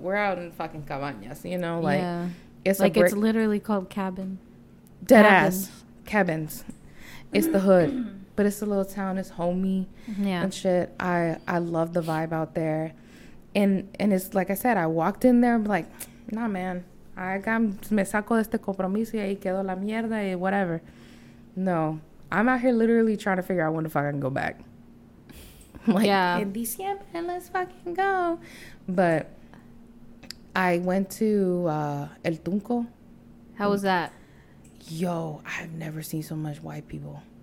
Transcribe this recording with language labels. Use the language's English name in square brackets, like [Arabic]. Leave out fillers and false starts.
[English] We're out in fucking cabañas, you know? Like, yeah. It's like it's literally called cabin. Dead cabins. Ass. Cabins. It's the hood. But it's a little town. It's homey and shit. I love the vibe out there. And it's like I said, I walked in there and I'm like, nah, man. [Spanish] Me saco de este compromiso y ahí quedo la mierda y whatever. [English] No. I'm out here literally trying to figure out when the fuck I can go back. Like, in December, let's fucking go. But I went to El Tunco. How was that? Yo, I've never seen so much white people.